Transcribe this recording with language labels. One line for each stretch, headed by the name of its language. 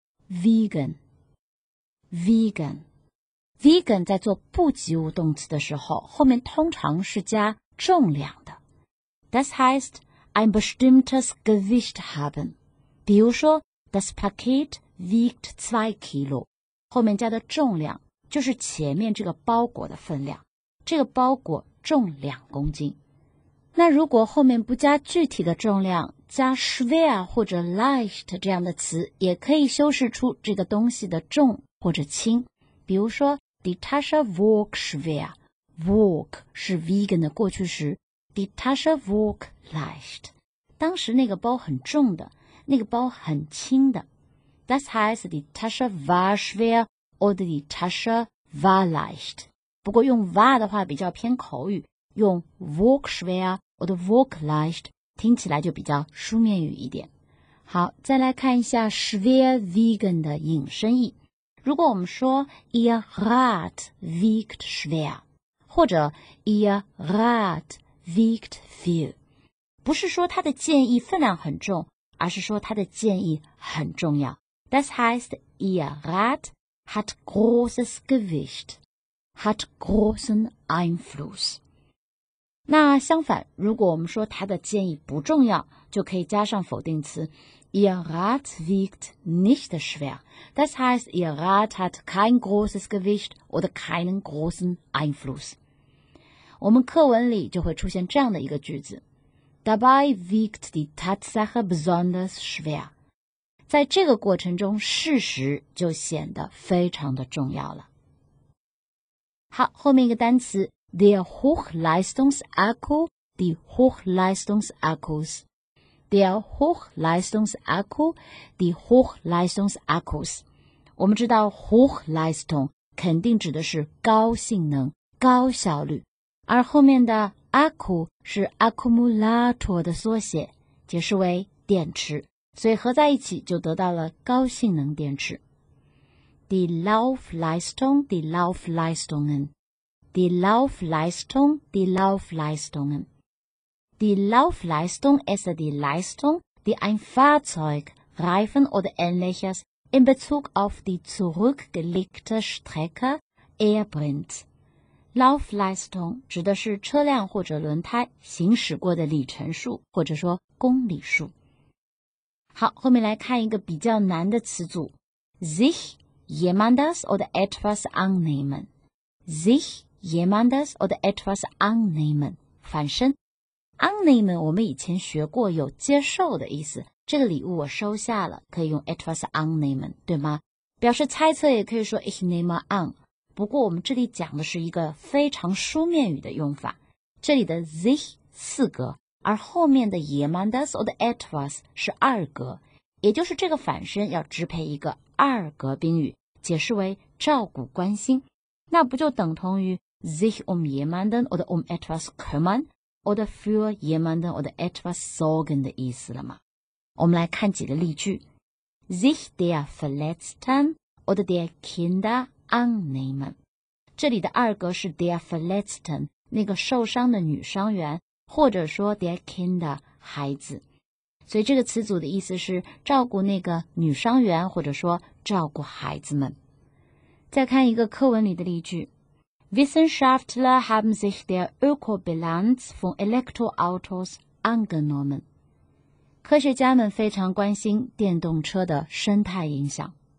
German: Vegan.
Chinese: Vegan 在做不及物动词的时候，后面通常是加重量的。
German: Das heißt, ein bestimmtes Gewicht haben. 比如说 ,das Paket wiegt 2 Kilo.
Chinese: 后面加的重量就是前面这个包裹的分量。这个包裹重2公斤。那如果后面不加具体的重量，加 schwer 或者 leicht 这样的词，也可以修饰出这个东西的重或者轻。比如说
German: die Tasche wog schwer. Wog 是 wiegen 的过去时。 Die Tasche wog leicht.
Chinese: 当时那个包很重的，那个包很轻的。
German: Das heißt, die Tasche war schwer oder die Tasche war leicht.
Chinese: 不过用 war 的话比较偏口语，用 wog schwer oder wog leicht 听起来就比较书面语一点。好，再来看一下 schwer wiegen 的引申义。如果我们说 ihr Rad wiegt schwer, 或者 ihr Rad wiegt viel, 不是说他的建议分量很重，而是说他的建议很重要。
German: Das heißt, ihr Rad hat großes Gewicht, hat großen Einfluss.
Chinese: 那相反，如果我们说他的建议不重要，就可以加上否定词。
German: Ihr Rad wiegt nicht schwer. Das heißt, ihr Rad hat kein großes Gewicht oder keinen großen Einfluss.
Chinese: 我们课文里就会出现这样的一个句子。
German: Dabei wiegt die Tatsache besonders schwer.
Chinese: 在这个过程中，事实就显得非常的重要了。好，后面一个单词 , der Hochleistungsakku, die Hochleistungsakkus.
German: Der Hochleistungsakku, die Hochleistungsakkus.
Chinese: 我们知道 Hochleistung 肯定指的是高性能、高效率。而后面的 Akku 是 Akkumulator 的缩写，解释为电池。所以合在一起就得到了高性能电池。
German: Die Laufleistung, die Laufleistungen. Die Laufleistung, die Laufleistungen. Die Laufleistung ist die Leistung, die ein Fahrzeug, Reifen oder ähnliches in Bezug auf die zurückgelegte Strecke erbringt.
Chinese: Laufleistung 指的是车辆或者轮胎行驶过的里程数或者说公里数。好，后面来看一个比较难的词组。
German: Sich jemandes oder etwas annehmen. Sich jemandes oder etwas annehmen.
Chinese: 反身。 Annehmen 我们以前学过有接受的意思，这个礼物我收下了，可以用 etwas annehmen, 对吗？表示猜测也可以说 ich nehme an, 不过我们这里讲的是一个非常书面语的用法，这里的 sich 四格，而后面的 jemandes oder etwas 是二格，也就是这个反身要支配一个二格宾语，解释为照顾关心，那不就等同于 sich jemanden oder etwas kümmern?
German: Oder für jemanden oder etwas sorgen 的意思了吗？
Chinese: 我们来看几个例句。
German: Sich der Verletzten oder der Kinder annehmen.
Chinese: 这里的二格是 der Verletzten, 那个受伤的女伤员，或者说 der Kinder, 孩子。所以这个词组的意思是照顾那个女伤员，或者说照顾孩子们。再看一个课文里的例句。
German: Wissenschaftler haben sich der Ökobilanz von Elektroautos angenommen.
Chinese: 科学家们非常关心电动车的生态影响。